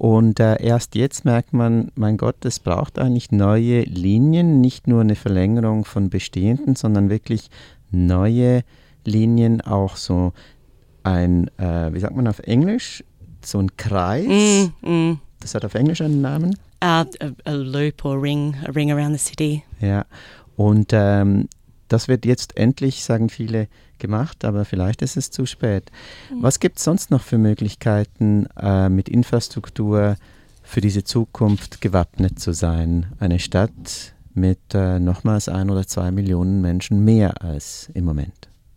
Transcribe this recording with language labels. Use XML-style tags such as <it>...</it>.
<de>Und erst jetzt merkt man, mein Gott, es braucht eigentlich neue Linien, nicht nur eine Verlängerung von bestehenden, sondern wirklich neue Linien, auch so ein, wie sagt man auf Englisch, so ein Kreis. Mhm. Das hat auf Englisch einen Namen.</de> <en>A loop or a ring around the city.</en> <de>Ja, und das wird jetzt endlich, sagen viele, gemacht, aber vielleicht ist es zu spät. Was gibt es sonst noch für Möglichkeiten, mit Infrastruktur für diese Zukunft gewappnet zu sein? Eine Stadt mit nochmals 1 oder 2 Millionen Menschen mehr als im Moment.</de>